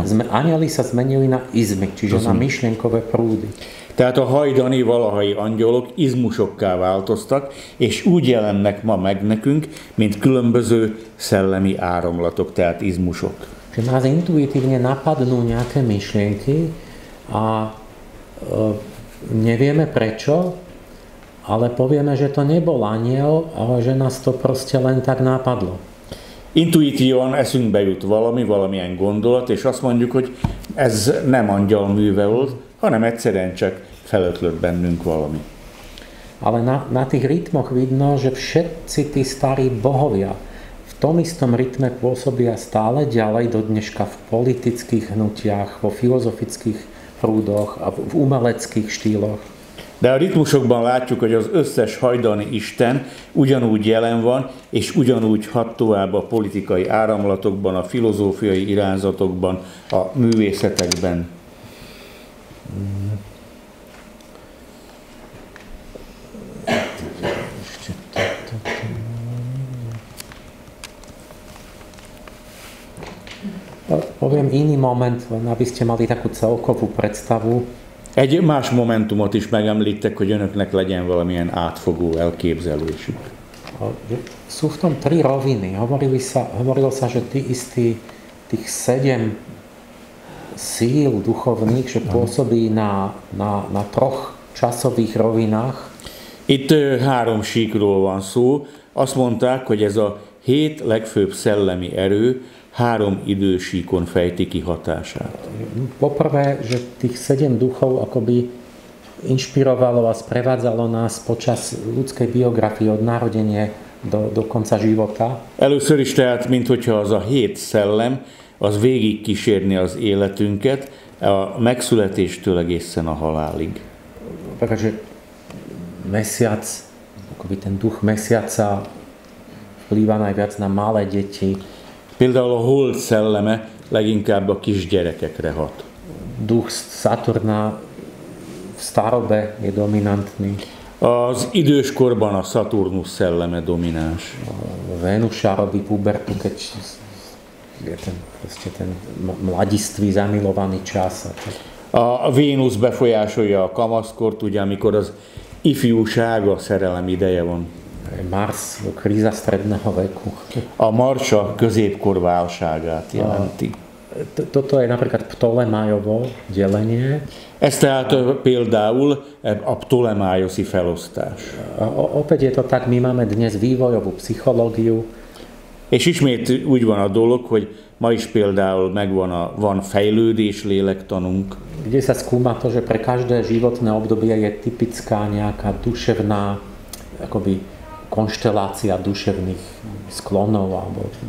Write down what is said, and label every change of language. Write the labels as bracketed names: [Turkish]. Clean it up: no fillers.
[Slovak] Anjeli sa zmenili na izmy, čiže na myšlienkové prúdy. [Hungarian] Tehát a hajdani valahai angyalok izmusokká változtak, és úgy jelennek ma meg nekünk, mint különböző szellemi áramlatok, tehát izmusok. [Slovak] Čiže nás intuitívne napadnú nejaké myšlienky a nevieme prečo, ale povieme, že to nebol anjel, ale že nás to proste len tak napadlo. [Hungarian] Intuitívan eszünkbe jut valami, valamilyen gondolat, és azt mondjuk, hogy ez nem angyal műve volt, hanem egyszerűen csak felötlött bennünk valami. [Slovak] Ale na tých rytmoch vidno, že všetci tí starí bohovia v tom istom rytme pôsobia stále ďalej do dneška v politických hnutiach, vo filozofických prúdoch a v umeleckých štýloch. [Hungarian] De a ritmusokban látjuk, hogy az összes hajdani isten ugyanúgy jelen van, és ugyanúgy hat tovább a politikai áramlatokban, a filozófiai irányzatokban, a művészetekben. [Slovak] Poviem iný moment, aby ste mali takú celkovú predstavu. [Hungarian] Egy más momentumot is megemlítek, hogy önöknek legyen valamilyen átfogó elképzelésük. [Slovak] Sú v tom tri roviny. Hovorilo sa, že tí istí, tých sedem síl duchovných, že pôsobí na troch časových rovinách. [Hungarian] Itt három síkról van szó. Azt mondták, hogy ez a hét legfőbb szellemi erő három idősíkon fejti ki hatását. [Slovak] Poprvé, že tých sedem duchov akoby inšpirovalo a sprevádzalo nás počas ľudskej biografie od narodenia do konca života. [Hungarian] Először is tehát, mint hogyha az a hét szellem, az végig kísérni az életünket, a megszületéstől egészen a halálig. [Slovak] Pretože mesiac, akoby ten duch mesiaca vplýva najviac na malé deti. [Hungarian] Például a hold szelleme leginkább a kisgyerekekre hat. [Slovak] Duch Saturna v starobe je dominantný. [Hungarian] Az időskorban a Saturnus szelleme domináns. [Slovak] Venusa robí pubertu, keď je ten, proste ten mladiství zamilovaný čas. [Hungarian] A Vénusz befolyásolja a kamaszkort, ugye, amikor az ifjúság, a szerelem ideje van. [Slovak] Mars a kríza stredného veku. [Hungarian] A Mars a középkor válságát jelenti. [Slovak] Toto je napríklad Ptolemájovo delenie. [Hungarian] Ez tehát például a ptolemájoszi felosztás. [Slovak] Opäť je to tak, my máme dnes vývojovú psychológiu. [Hungarian] És ismét úgy van a dolog, hogy ma is például megvan a, van fejlődés lélektanunk. [Slovak] Kde sa skúma to, že pre každé životné obdobie je typická nejaká duševná akoby konštelácia duševných sklonov alebo...